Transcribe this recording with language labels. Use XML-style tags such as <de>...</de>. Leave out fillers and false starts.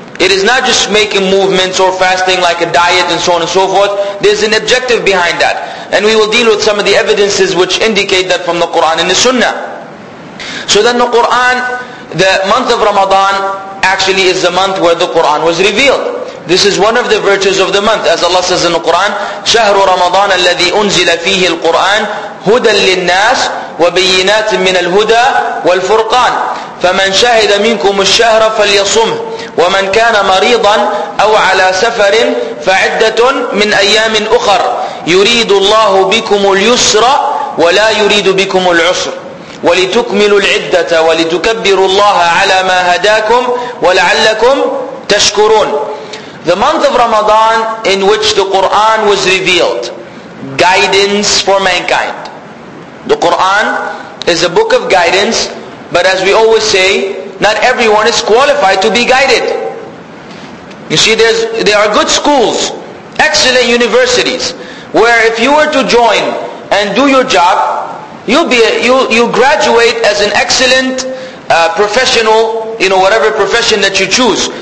<en>It is not just making movements or fasting like a diet and so on and so forth. There's an objective behind that. And we will deal with some of the evidences which indicate that from the Quran and the Sunnah. So then the Quran, the month of Ramadan actually is the month where the Quran was revealed. This is one of the virtues of the month. As Allah says in the Quran,</en> <ar>شَهْرُ رَمَضَانَ الَّذِي أُنزِلَ فِيهِ الْقُرْآنِ هُدًى لِلنَّاسِ وَبِيِّنَاتٍ مِّنَ الْهُدَى وَالْفُرْقَانِ فَمَنْ شَهِدَ مِنْكُمُ الشَّهْرَ فَلْيَصُمْهُ وَمَنْ كَانَ مَرِيضًا أَوْ عَلَى سَفَرٍ فَعِدَّةٌ مِّنْ أَيَّامٍ أُخَرَ يُرِيدُ اللَّهُ بِكُمُ الْيُسْرَ وَلَا يُرِيدُ بِكُمُ الْعُسْرَ وَلِتُكْمِلُوا الْعِدَّةَ وَلِتُكَبِّرُوا اللَّهَ عَلَى مَا هَدَاكُمْ وَلَعَلَّكُمْ تَشْكُرُونَ</ar> <en>The month of Ramadan in which the Quran was revealed, guidance for mankind. The Quran is a book of guidance, but as we always say, not everyone is qualified to be guided. You see, there are good schools, excellent universities, where if you were to join and do your job, you graduate as an excellent professional, you know, whatever profession that you choose.</en>